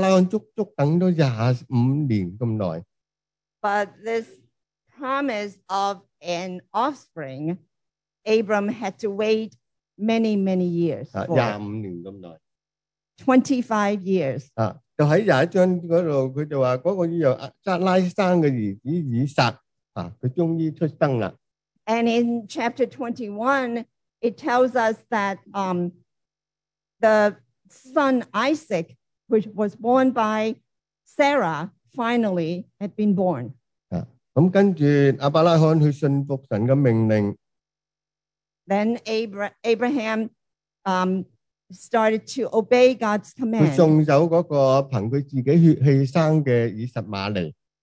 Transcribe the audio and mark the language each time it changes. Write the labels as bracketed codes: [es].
[zh] 但这个后裔这个福气亚伯拉罕足足等了25年那么久。 [en] But this promise of an offspring, Abram had to wait many, many years for. 25 years. And in chapter 21, it tells us that the son Isaac, which was born by Sarah, finally had been born. [zh] 跟着亚伯拉罕去信服神的命令。 [en] Then Abraham started to obey God's command. [zh] 送走那个凭他自己血气生的以实玛利。